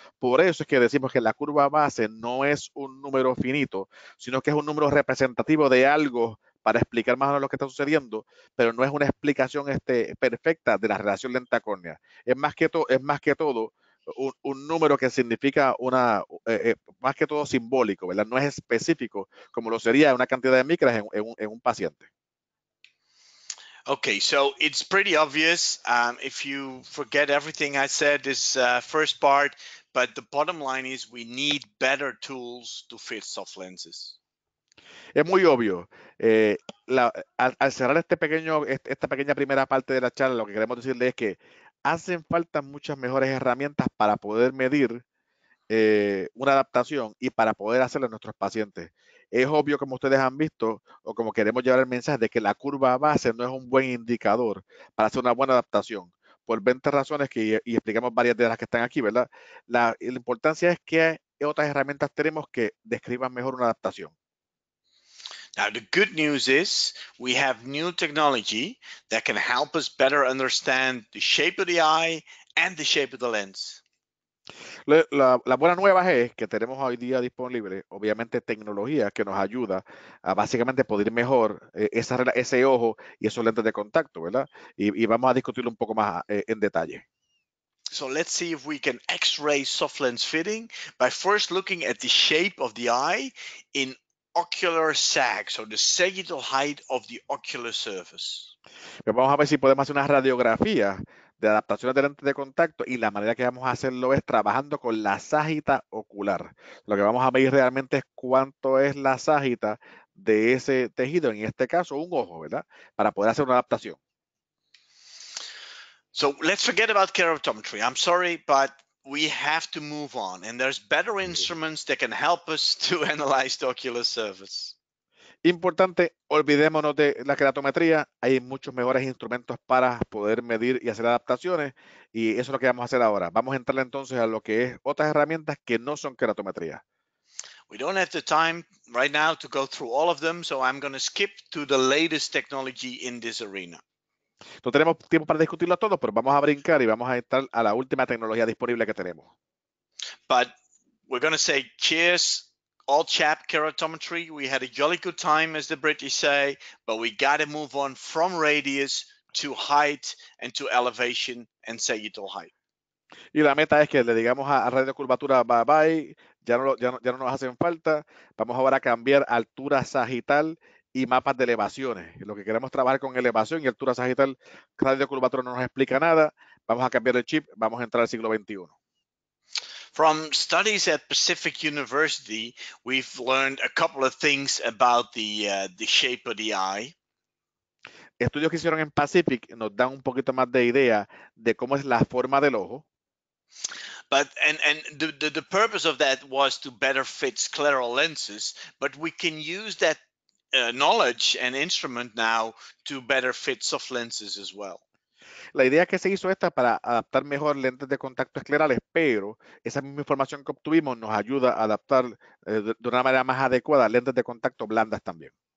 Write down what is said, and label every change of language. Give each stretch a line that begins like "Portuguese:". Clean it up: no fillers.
Spanish: Por eso es que decimos que la curva base no es un número finito, sino que es un número representativo de algo para explicar más o menos lo que está sucediendo, pero no es una explicación perfecta de la relación lente a córnea. Es más que todo un número que significa una, más que todo simbólico, ¿verdad? No es específico, como lo sería una cantidad de micras en un paciente.
English: Okay, so it's pretty obvious if you forget everything I said this first part, but the bottom line is we need better tools to fit soft lenses.
Spanish: Es muy obvio. Al cerrar esta pequeña primera parte de la charla, lo que queremos decirle es que hacen falta muchas mejores herramientas para poder medir una adaptación y para poder hacerlo a nuestros pacientes. Es obvio, como ustedes han visto, o como queremos llevar el mensaje, de que la curva base no es un buen indicador para hacer una buena adaptación. Por 20 razones, y explicamos varias de las que están aquí, ¿verdad? La importancia es que otras herramientas tenemos que describan mejor una adaptación.
English: Now, the good news is we have new technology that can help us better understand the shape of the eye and the shape of the lens.
Spanish: La buena nueva es que tenemos hoy día disponible, obviamente, tecnología que nos ayuda a básicamente poder mejor ese ojo y esos lentes de contacto, ¿verdad? Y vamos a discutirlo un poco más en detalle.
English: So let's see if we can X-ray soft lens fitting by first looking at the shape of the eye in ocular sag, so the sagittal height of the ocular surface.
Spanish: Pero vamos a ver si podemos hacer una radiografía de adaptaciones de lentes de contacto, y la manera que vamos a hacerlo es trabajando con la sagita ocular. Lo que vamos a medir realmente es cuánto es la sagita de ese tejido, en este caso un ojo, ¿verdad? Para poder hacer una adaptación.
English: So let's forget about keratometry. I'm sorry, but we have to move on, and there's better instruments that can help us to analyze the ocular surface.
Spanish: Importante, olvidémonos de la keratometría. Hay muchos mejores instrumentos para poder medir y hacer adaptaciones, y eso es lo que vamos a hacer ahora. Vamos a entrar entonces a lo que es otras herramientas que no son keratometría.
English: We don't have the time right now to go through all of them, so I'm going to skip to the latest technology in this arena.
Spanish: No tenemos tiempo para discutirlo todo, pero vamos a brincar y vamos a entrar a la última tecnología disponible que tenemos.
English: But we're going to say cheers. All chap keratometry, we had a jolly good time, as the British say, but we got to move on from radius to height and to elevation and sagittal height.
Spanish: Y la meta es que le digamos a radio curvatura bye bye, ya no nos hacen falta, vamos ahora a cambiar altura sagital y mapas de elevaciones. Lo que queremos trabajar con elevación y altura sagital, radio curvatura no nos explica nada, vamos a cambiar el chip, vamos a entrar al siglo XXI.
English: From studies at Pacific University, we've learned a couple of things about the shape of the eye.
Spanish: Estudios que hicieron en Pacific nos dan un poquito más de idea de cómo es la forma del ojo.
English: But and the purpose of that was to better fit scleral lenses, but we can use that knowledge and instrument now to better fit soft lenses as well.
Spanish: La idea que se hizo esta para adaptar mejor lentes de contacto esclerales, pero esa misma información que obtuvimos nos ayuda a adaptar de una manera más adecuada lentes de contacto blandas también.